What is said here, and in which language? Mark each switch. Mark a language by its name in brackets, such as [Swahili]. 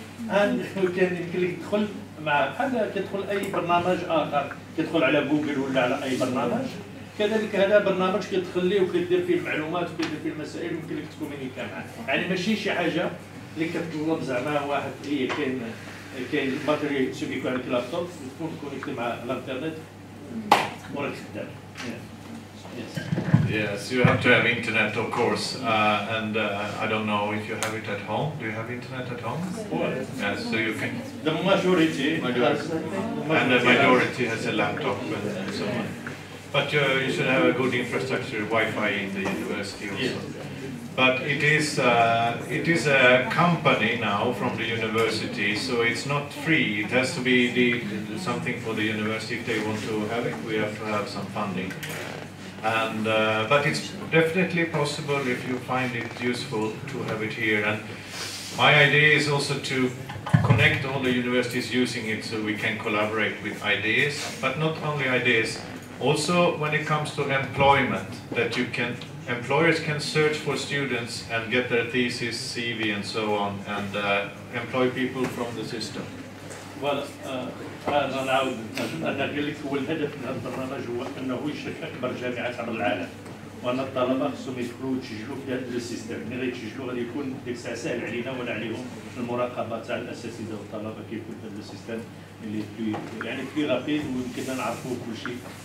[Arabic] ان يمكن لك تدخل مع بحال كتدخل اي برنامج اخر كتدخل على جوجل ولا على اي برنامج كذلك هذا برنامج كتدخل ليه وكدير فيه المعلومات وكدير فيه المسائل ممكن لك تكومينيكا معاه يعني ماشي شي حاجه اللي كتطلب زعما واحد هي كاين الباتري شوف يكون عندك لابتوب وتكون كونيكتي مع الانترنت وراك خدام [English] Yes, you have to have internet, of course. And I don't know if you have it at home. Do you have internet at home? Yes, so you can. The majority. And the majority has a laptop and so on. But you should have a good infrastructure, Wi-Fi in the university also. But it is a company now from the university, so it's not free. It has to be something for the university if they want to have it. We have to have some funding. And but it's definitely possible if you find it useful to have it here. And my idea is also to connect all the universities using it so we can collaborate with ideas, but not only ideas. Also when it comes to employment, that you can employers can search for students and get their thesis, CV and so on, and employ people from the system. [Arabic] Well, أنا أعود أن أقول لك هو الهدف من هذا البرنامج هو أنه يشرك أكبر جامعات عبر العالم وأن الطلبة خصهم يدخلوا ويتسجلوا في هذا السيستم، ملي غيتسجلوا غادي يكون ديك الساعة ساهل علينا ولا عليهم المراقبة تاع الأساتذة والطلبة كيكون في هذا السيستم اللي في يعني في رابيد ويمكن نعرفوا كل شيء.